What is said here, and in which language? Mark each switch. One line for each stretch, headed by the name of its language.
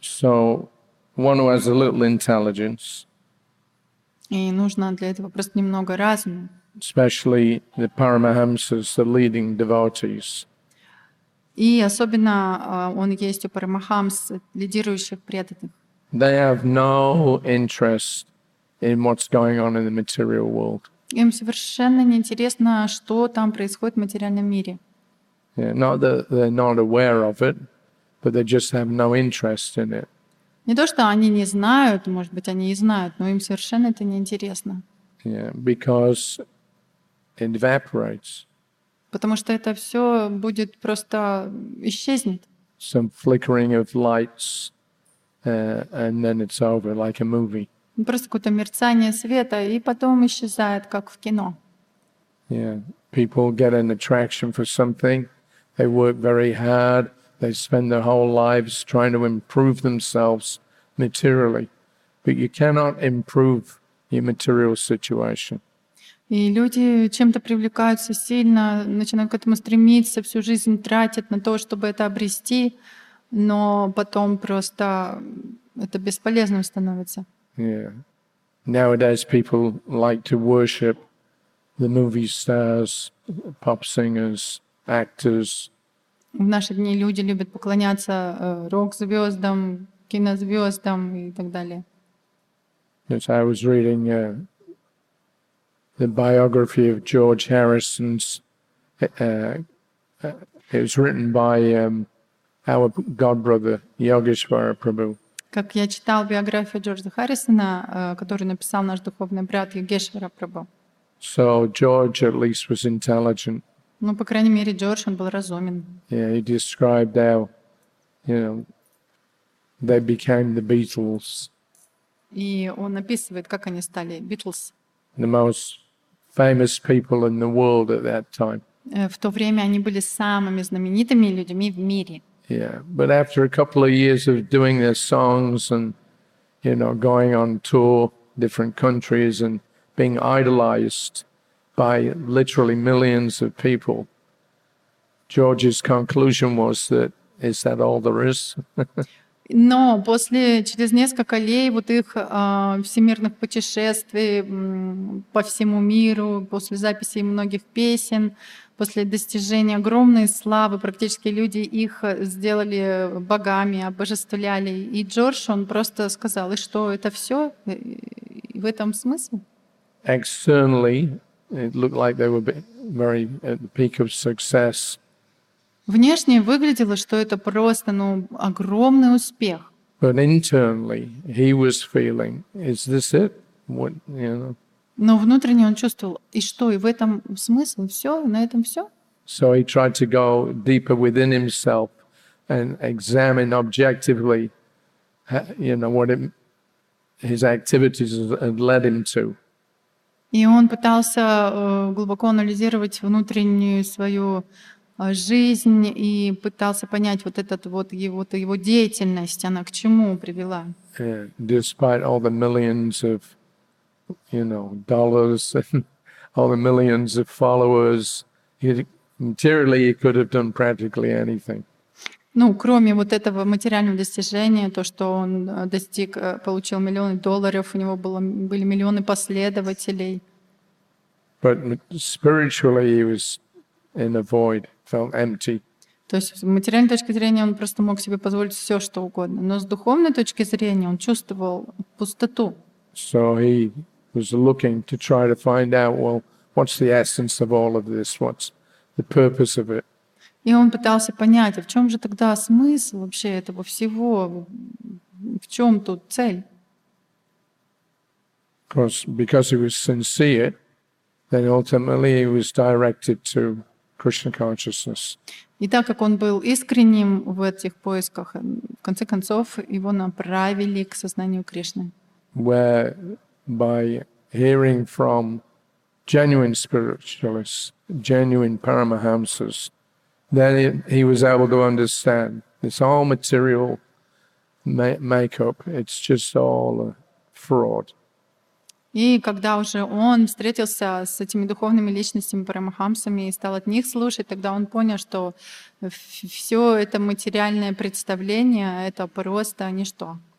English: So, one who has a little intelligence.
Russian: И нужно для этого просто немного разума.
English: Especially the paramahamsas, the leading devotees.
Russian: И особенно он есть у парамахамс, лидирующих преданных.
English: They have no interest in what's going on in the material world.
Russian: Им совершенно не интересно, что там происходит в материальном мире.
English: Yeah, not that they're not aware of it, but they just have no interest in it.
Russian: Не то, что они не знают, может быть, они и знают, но им совершенно это не интересно.
English: Yeah, because it evaporates.
Russian: Потому что это все будет просто исчезнет.
English: Some flickering of lights, and then it's over, like a movie.
Russian: Просто какое-то мерцание света, и потом исчезает, как в кино.
English: Yeah. People get an attraction for something. They work very hard. They spend their whole lives trying to improve themselves materially. But you cannot improve your material situation.
Russian: И люди чем-то привлекаются сильно, начинают к этому стремиться, всю жизнь тратят на то, чтобы это обрести, но потом просто это бесполезным становится. Yeah.
English: Nowadays people like to worship the movie stars, pop singers, actors.
Russian: В наши дни люди любят поклоняться рок-звездам, кинозвездам и так далее.
English: Yes, I was reading the biography of George Harrison's. It was written by our godbrother Yogeshwara Prabhu.
Russian: Как я читал биографию Джорджа Харрисона, которую написал наш духовный брат Йогешвара Прабху.
English: So George at least was intelligent.
Russian: Ну, по крайней мере, Джордж, он был разумен.
English: Yeah, he described how, you know, they became the Beatles.
Russian: И он описывает, как они стали Beatles.
English: The most famous people in the world at that time.
Russian: В то время они были самыми знаменитыми людьми в мире.
English: Yeah, but after a couple of years of doing their songs and, you know, going on tour, different countries and being idolized by literally millions of people, George's conclusion was that is that all there is?
Russian: Но после через несколько лет вот их всемирных путешествий по всему миру, после записи многих песен, после достижения огромной славы, практически люди их сделали богами, обожествляли. И Джордж, он просто сказал, и что это все в этом смысле?
English: Externally, it looked like they were very at the peak of success.
Russian: Внешне выглядело, что это просто, ну, огромный успех.
English: But internally, he was feeling, is this it? What, you know?
Russian: Но внутренне он чувствовал, и что, и в этом смысл, все, на этом все?
English: So he tried to go deeper within himself and examine objectively, you know, what his activities had led him to.
Russian: И он пытался глубоко анализировать внутреннюю свою жизнь и пытался понять вот этот его деятельность, она к чему привела.
English: Despite all the millions of, you know, dollars and all the millions of followers, materially he could have done practically anything.
Russian: Ну, кроме вот этого материального достижения, то, что он достиг, получил миллионы долларов, у него были миллионы последователей.
English: But spiritually he was in a void, felt empty.
Russian: То есть с материальной точки зрения он просто мог себе позволить все, что угодно. Но с духовной точки зрения он чувствовал пустоту.
English: So he was looking to try to find out, well, what's the essence of all of this? What's the purpose of it?
Russian: И он пытался понять, а в чем же тогда смысл вообще этого всего? В чем тут цель?
English: Because he was sincere, then ultimately he was directed to Krishna consciousness.
Russian: И так как он был искренним в этих поисках, в конце концов его направили к сознанию Кришны.
English: Where by hearing from genuine spiritualists, genuine paramahamsas, then he was able to understand this all material makeup, it's just all a fraud.
Russian: И когда уже он встретился с этими духовными личностями, парамахамсами, и стал от них слушать, тогда он понял, что все это материальное представление — это просто ничто.